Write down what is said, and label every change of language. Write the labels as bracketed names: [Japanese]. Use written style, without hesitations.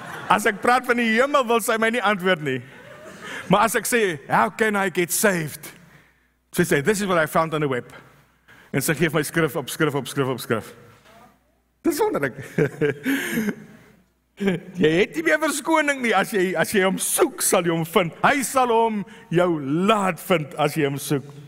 [Afrikaans] As ek praat van die hemel, wil sy my nie antwoord nie. Maar as ek sê, [English] how can I get saved? [Afrikaans] Sy sê, [English] this is what I found on the web. [Afrikaans] En sy geef my skrif op skrif. Dis wonderlik. Jy het nie meer verskoning nie, as jy hom soek, sal jy hom vind. Hy sal hom jou laat vind, as jy hom soek.